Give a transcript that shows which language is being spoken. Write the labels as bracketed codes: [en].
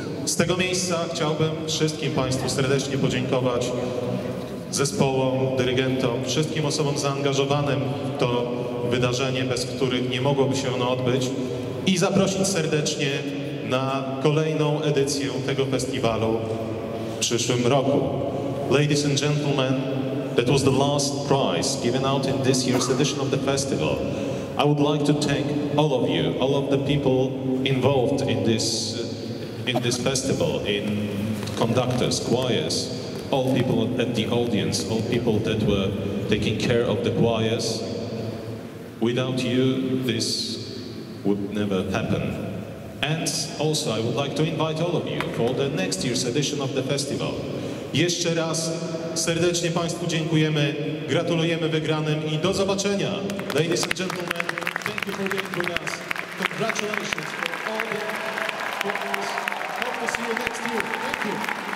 [pl] Z tego miejsca chciałbym wszystkim Państwu serdecznie podziękować zespołom, dyrygentom, wszystkim osobom zaangażowanym w to wydarzenie, bez których nie mogłoby się ono odbyć, i zaprosić serdecznie na kolejną edycję tego festiwalu w przyszłym roku. [en] Ladies and gentlemen, that was the last prize given out in this year's edition of the festival. I would like to thank all of you, all of the people involved in this festival, in conductors, choirs, all people at the audience, all people that were taking care of the choirs. Without you, this would never happen. And also, I would like to invite all of you for the next year's edition of the festival. [pl] Jeszcze raz serdecznie Państwu dziękujemy, gratulujemy wygranym i do zobaczenia. [en] Ladies and gentlemen, thank you for being with us. Congratulations for all the winners. Hope to see you next year. Thank you.